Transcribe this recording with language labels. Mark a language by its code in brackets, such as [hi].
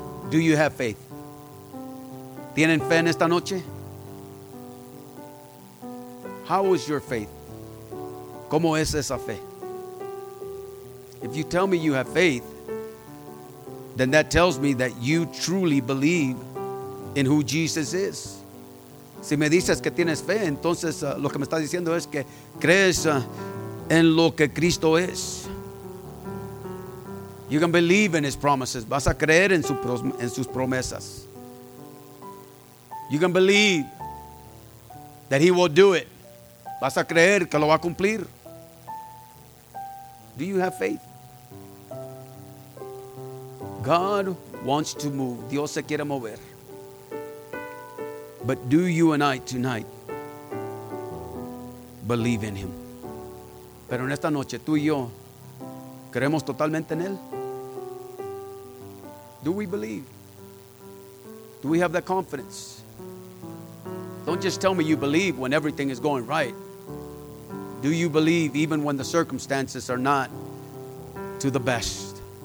[en] Do you have faith? [es] ¿Tienen fe en esta noche? [en] How is your faith? [es] ¿Cómo es esa fe? [en] If you tell me you have faith, then that tells me that you truly believe in who Jesus is. [es] Si me dices que tienes fe, entonces lo que me estás diciendo es que crees en lo que Cristo es. [en] You can believe in his promises. [es] Vas a creer en sus promesas. [en] You can believe that he will do it. [es] Vas a creer que lo va a cumplir. [en] Do you have faith? God wants to move. [es] Dios se quiere mover. [en] But do you and I tonight believe in him? [es] Pero en esta noche, tú y yo, ¿creemos totalmente en él? [en] Do we believe? Do we have that confidence? Don't just tell me you believe when everything is going right. Do you believe even when the circumstances are not to the best?